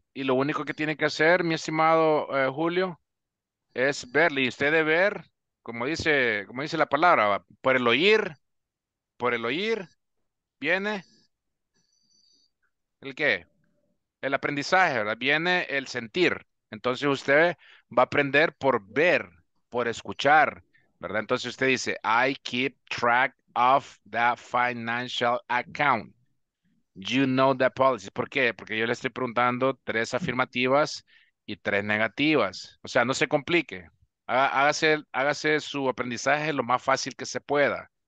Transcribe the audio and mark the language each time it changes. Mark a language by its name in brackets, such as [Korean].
[Spanish] Y lo único que tiene que hacer, mi estimado Julio, es verle. Y usted debe ver, como dice la palabra, por el oír, viene el qué? El aprendizaje, ¿verdad? Viene el sentir. Entonces usted va a aprender por ver, por escuchar, ¿verdad? Entonces usted dice, [English] I keep track of the financial account. You know the policy. [Spanish] ¿Por qué? Porque yo le estoy preguntando tres afirmativas y tres negativas. O sea, no se complique. Hágase su aprendizaje lo más fácil que se pueda.